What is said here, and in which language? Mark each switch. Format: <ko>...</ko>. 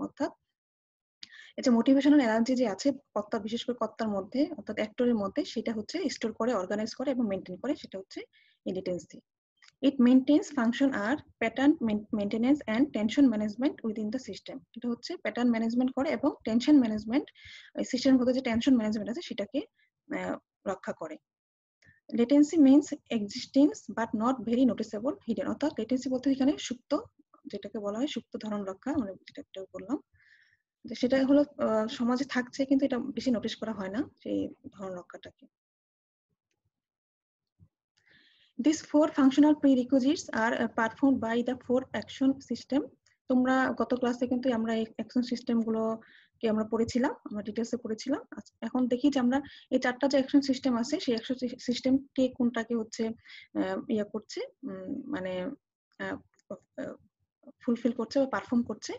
<bn>অর্থাৎ এই যে মোটিভেশনাল এনার্জি যে আছে কর্তা, বিশেষ করে কর্তার মধ্যে অর্থাৎ অ্যাক্টরের মধ্যে, সেটা হচ্ছে স্টোর করে, অর্গানাইজ করে এবং মেনটেন করে, সেটা হচ্ছে latency.</bn> <en>It maintains function আর pattern maintenance and tension management within the system.</en> <bn>এটা হচ্ছে প্যাটার্ন ম্যানেজমেন্ট করে এবং টেনশন ম্যানেজমেন্ট সিস্টেমের মধ্যে যে টেনশন ম্যানেজমেন্ট আছে সেটাকে রক্ষা করে।</bn> <en>Latency means existence but not very noticeable hidden.</en> <bn>অর্থাৎ latency বলতে এখানে সুপ্ত, যেটাকে বলা হয় সুপ্ত ধরন রক্ষা, মানে যেটা একটু বললাম যে সেটা হলো সমাজে থাকছে কিন্তু এটা বেশি নোটিশ করা হয় না, সেই ধরন রক্ষাটাকে।</bn> <en>These four functional prerequisites are performed by the four action system.</en> <bn>তোমরা গত ক্লাসে কিন্তু আমরা এই অ্যাকশন সিস্টেমগুলো কি আমরা পড়েছিলাম, আমরা ডিটেইলসে পড়েছিলাম। এখন দেখি যে আমরা এই চারটা যে অ্যাকশন সিস্টেম আছে সেই অ্যাকশন সিস্টেম কে কোনটাকে হচ্ছে ইয়া করছে, মানে ফুলফিল করছে বা পারফর্ম করছে।</bn>